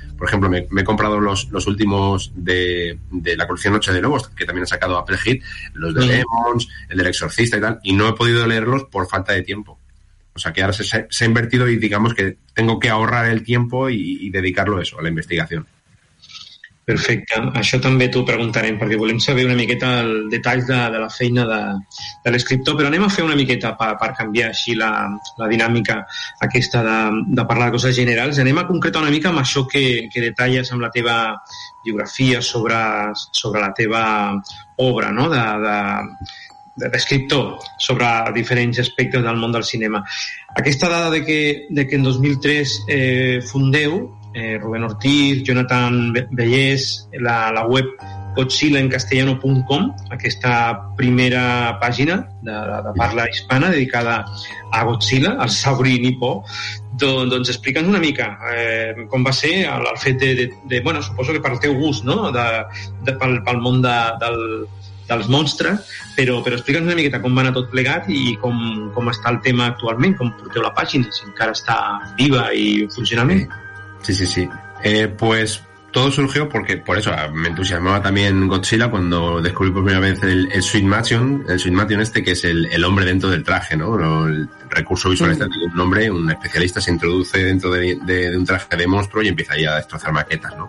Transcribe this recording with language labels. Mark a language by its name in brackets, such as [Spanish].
[Spanish] Por ejemplo, me he comprado los últimos de la colección Noche de Lobos, que también ha sacado Apple Hit, los de Lemons, el del Exorcista y tal, y no he podido leerlos por falta de tiempo. O sea, que ahora se ha invertido y digamos que tengo que ahorrar el tiempo y dedicarlo a eso, a la investigación. [Catalan] Perfecte. Això també t'ho preguntarem, perquè volem saber una miqueta el detall de la feina de l'escriptor, però anem a fer una miqueta per canviar així la dinàmica aquesta de parlar de coses generals. Anem a concretar una mica amb això que detalles amb la teva biografia sobre la teva obra, no? De l'escriptor, sobre diferents aspectes del món del cinema. Aquesta dada de que en 2003 fundeu, Rubén Ortiz, Jonathan Bellés, la web godzillaencastellano.com, aquesta primera pàgina de parla hispana dedicada a Godzilla, al saurí nipó, doncs explica'ns una mica com va ser el fet de bueno, suposo que per el teu gust, no? pel món dels monstres, però explica'ns una miqueta com va anar tot plegat i com està el tema actualment, com porteu la pàgina, si encara està viva i funcionalment. [Spanish] Sí. Pues todo surgió porque, por eso, me entusiasmaba también Godzilla cuando descubrí por primera vez el Suit Mansion este, que es el hombre dentro del traje, ¿no? El recurso visual está en un hombre, un especialista se introduce dentro de un traje de monstruo y empieza ahí a destrozar maquetas, ¿no?